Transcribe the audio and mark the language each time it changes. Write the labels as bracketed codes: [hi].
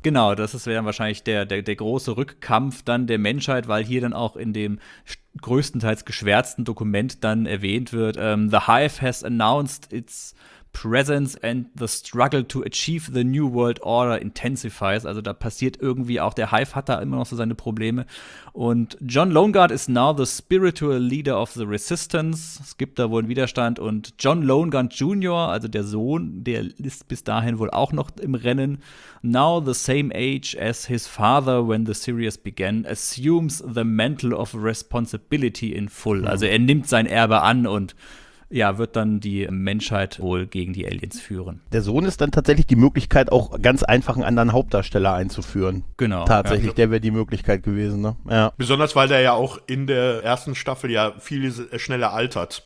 [de] Genau, das wäre dann wahrscheinlich der große Rückkampf dann der Menschheit, weil hier dann auch in dem größtenteils geschwärzten Dokument dann erwähnt wird, [en] The Hive has announced its presence and the struggle to achieve the new world order intensifies. [de] Also da passiert irgendwie auch, der Hive hat da immer noch so seine Probleme. [en] Und John Lonegard is now the spiritual leader of the resistance. [de] Es gibt da wohl einen Widerstand. Und John Lonegard Jr., also der Sohn, der ist bis dahin wohl auch noch im Rennen. [en] Now the same age as his father when the series began, assumes the mantle of responsibility in full. [de] Also er nimmt sein Erbe an und ja, wird dann die Menschheit wohl gegen die Aliens führen. Der Sohn ist dann tatsächlich die Möglichkeit, auch ganz einfach einen anderen Hauptdarsteller einzuführen. Genau. Tatsächlich, ja, der wäre die Möglichkeit gewesen. Ne? Ja. Besonders, weil der ja auch in der ersten Staffel ja viel schneller altert.